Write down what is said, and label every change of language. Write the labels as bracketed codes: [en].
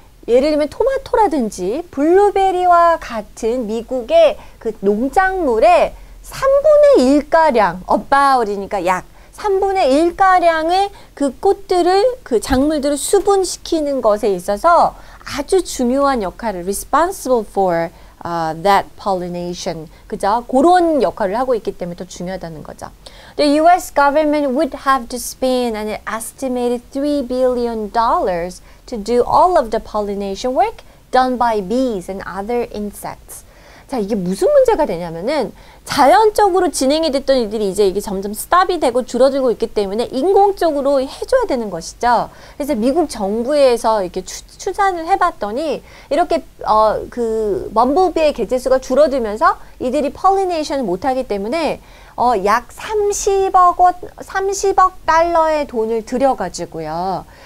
[ko] 예를 들면 토마토라든지 블루베리와 같은 미국의 그 농작물의 3분의 1가량 about이니까 약 3분의 1가량의 그 꽃들을, 그 작물들을 수분시키는 것에 있어서 아주 중요한 역할을 [en] responsible for that pollination. [ko] 그죠? 그런 역할을 하고 있기 때문에 더 중요하다는 거죠. [en] The US government would have to spend an estimated $3 billion to do all of the pollination work done by bees and other insects. [ko] 자, 이게 무슨 문제가 되냐면은 자연적으로 진행이 됐던 일들이 이제 이게 점점 스탑이 되고 줄어들고 있기 때문에 인공적으로 해줘야 되는 것이죠. 그래서 미국 정부에서 이렇게 추산을 해봤더니 이렇게 그 범블비의 개체수가 줄어들면서 이들이 펄리네이션을 못하기 때문에 약 30억 달러의 돈을 들여가지고요.